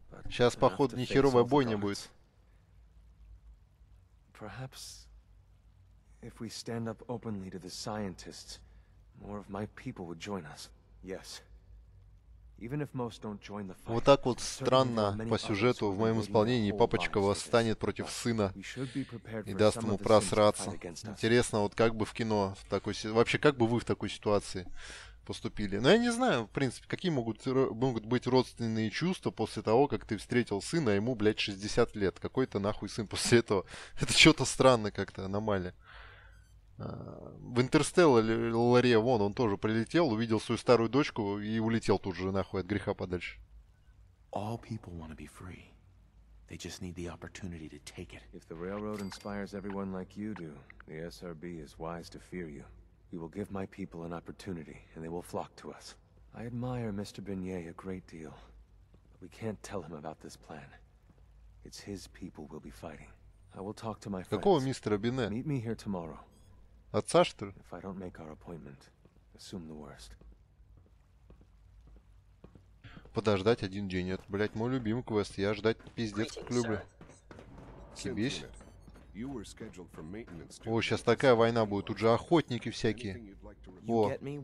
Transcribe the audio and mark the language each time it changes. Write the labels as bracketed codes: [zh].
[ru] Сейчас, походу, нехеровая бойня будет. [en] Perhaps if we stand up openly to the scientists, more of my people would join us. Yes. Even if most don't join the fight. [ru] Вот так вот странно по сюжету в моем исполнении папочка восстанет против сына и даст ему просраться. Интересно, вот как бы в кино в такой вообще как бы вы в такой ситуации поступили? Но я не знаю, в принципе, какие могут быть родственные чувства после того, как ты встретил сына, а ему, блядь, 60 лет. Какой-то нахуй сын после этого. Это что-то странно как-то, аномалия. В Интерстелларе, вон, он тоже прилетел, увидел свою старую дочку и улетел тут же нахуй от греха подальше. [en] All people want to be free. They just need the opportunity to take it. If the railroad inspires everyone like you do, the SRB is wise to fear you. We will give my people an opportunity, and they will flock to us. I admire Mr. Beignet a great deal, but we can't tell him about this plan. It's his people we'll be fighting. I will talk to my friends. [ru] Какого мистера Бине? [en] Meet me here tomorrow. [ru] Отца, что ли? [en] If I don't make our appointment, assume the worst. [ru] Подождать один день. Это, блядь, мой любимый квест. Я ждать пиздец как люблю. Съебись. О, сейчас такая война будет, тут же охотники всякие. О.